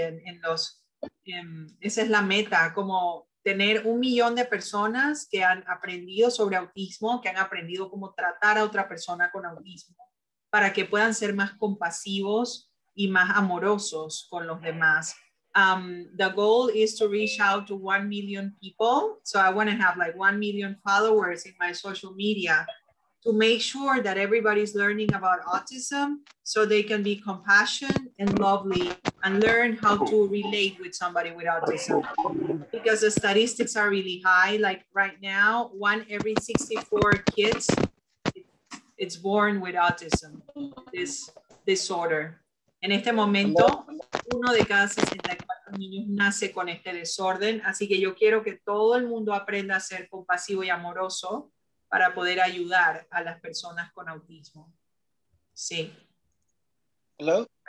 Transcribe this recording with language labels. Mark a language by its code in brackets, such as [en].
[es] Esa es la meta, como tener 1 millón de personas que han aprendido sobre autismo, que han aprendido cómo tratar a otra persona con autismo, para que puedan ser más compasivos y más amorosos con los demás. [en] The goal is to reach out to 1 million people. So I want to have like 1 million followers in my social media to make sure that everybody's learning about autism so they can be compassionate and lovely and learn how to relate with somebody with autism. Because the statistics are really high. Like right now, 1 every 64 kids, it's born with autism, this disorder. [es] En este momento, 1 de cada 64 niños nace con este desorden. Así que yo quiero que todo el mundo aprenda a ser compasivo y amoroso para poder ayudar a las personas con autismo. Sí. [en] Hello.